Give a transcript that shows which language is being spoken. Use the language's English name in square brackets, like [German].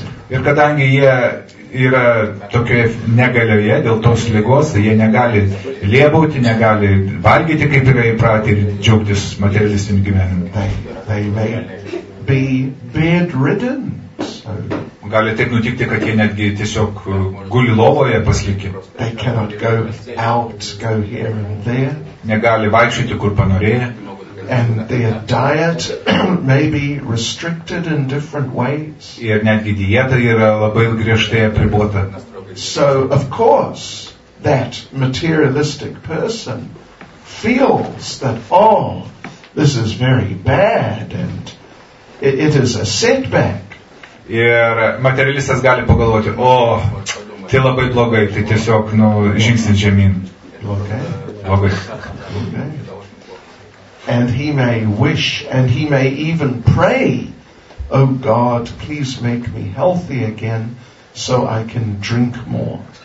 [Lithuanian] Ir kadangi jie yra tokioje negalioje dėl tos lygos, jie negali lėbauti, negali valgyti, kaip yra įpratę ir džiaugtis materialistiniu gyvenimu. Gali taip nutikti, kad jie netgi tiesiog guli lovoje paslikę. Negali vaikščioti, kur panorėja. [English] And their diet may be restricted in different ways. [Lithuanian] Ir netgi dieta yra labai griežtai apribota. [English] So, of course, that materialistic person feels that, oh, this is very bad and it is a setback. [Lithuanian] Ir materialistas gali pagalvoti, o, tai labai blogai, tai tiesiog, nu, žingsnis žemyn. Blogai. Blogai. [English] And he may wish, and he may even pray, O God, please make me healthy again, so I can drink more.